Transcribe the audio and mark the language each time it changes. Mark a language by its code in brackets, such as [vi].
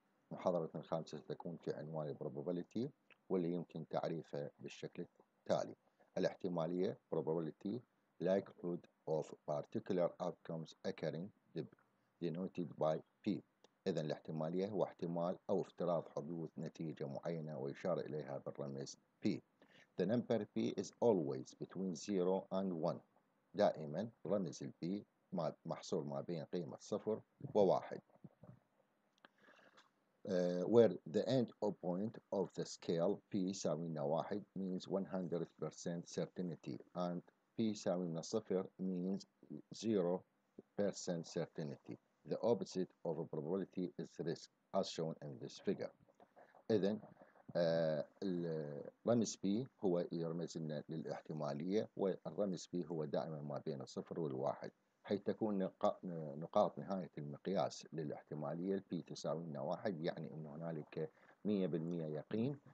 [ar] محاضرتنا الخامسة ستكون في عنوان probability، واللي يمكن تعريفها بالشكل التالي: الاحتمالية [en] probability likelihood of particular outcomes occurring denoted by P. [ar] إذن الاحتمالية هو احتمال أو افتراض حدوث نتيجة معينة ويشار إليها بالرمز P. [en] The number P is always between 0 and 1. [ar] دائما رمز الـ P محصور ما بين قيمة 0 و 1. [en] Where the end of point of the scale P يساوينا 1 means 100% certainty, and P يساوينا 0 means 0% certainty. The opposite of a probability is risk, as shown in this figure. [ar] إذن الرمز P هو يرمز لنا للاحتمالية، والرمز P هو دائما ما بين الصفر والواحد، حيث تكون نقاط نهاية المقياس للاحتمالية الـ P تساوي لنا واحد، يعني أن هنالك 100% يقين.